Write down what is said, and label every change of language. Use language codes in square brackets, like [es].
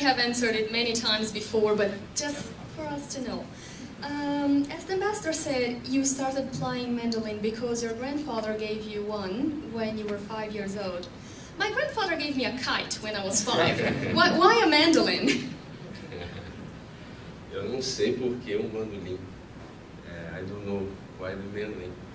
[en] Answered it many times before, but just for us to know. As the master said, you started playing mandolin because your grandfather gave you one when you were 5 years old. My grandfather gave me a kite when I was five. Why a mandolin? [pt] Eu não sei por que um mandolin. [en] I don't know why the mandolin.